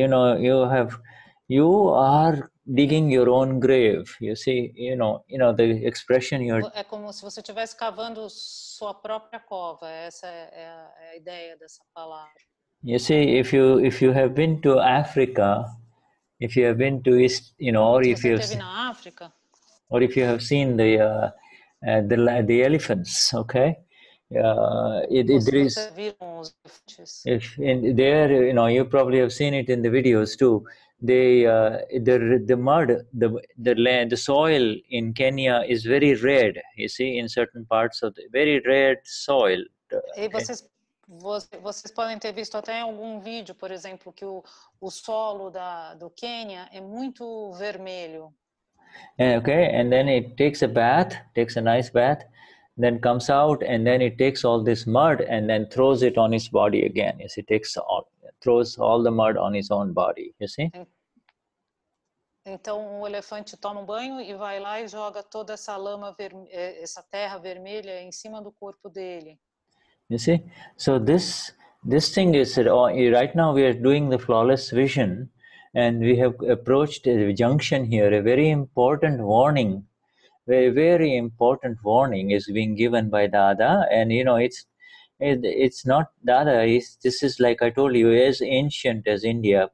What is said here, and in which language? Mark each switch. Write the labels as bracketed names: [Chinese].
[English] You know, you are digging your own grave, you see, you know the expression you're... [Portuguese] É como se você estivesse cavando sua própria cova, essa é a ideia dessa palavra. [English] You see, if you have been to Africa, if you have been to East, you know, or if you've... [Portuguese] Você esteve na África? [English] Or if you have seen the elephants, okay? You probably have seen it in the videos too. The soil in Kenya is very red, you see, in certain parts of the very red soil. [Portuguese] E vocês podem ter visto até em algum vídeo, por exemplo, que o solo do Quênia é muito vermelho. [English] Okay, and then it takes a bath, takes a nice bath, then comes out, and then it takes all this mud and then throws it on its body again. Yes, it takes all, throws all the mud on its own body, you see? [Portuguese] Então, o elefante toma um banho e vai lá e joga toda essa lama, essa terra vermelha em cima do corpo dele. [English] You see? So, this thing is, right now we are doing the flawless vision, and we have approached a junction here, a very important warning. A very important warning is being given by Dada, and you know, it's not Dada, this is, like I told you, as ancient as India.